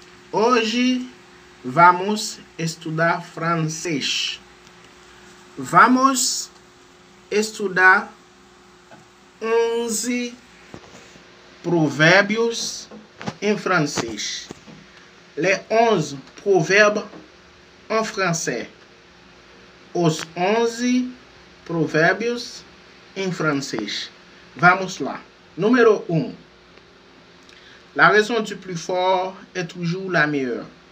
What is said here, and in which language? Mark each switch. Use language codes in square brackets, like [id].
[pt] Hoje vamos estudar francês. Vamos estudar 11 provérbios em francês. [fr] Les 11 proverbes en français. [pt] Os 11 provérbios em francês. Vamos lá. Número 1. [fr] La raison du plus fort est toujours la meilleure.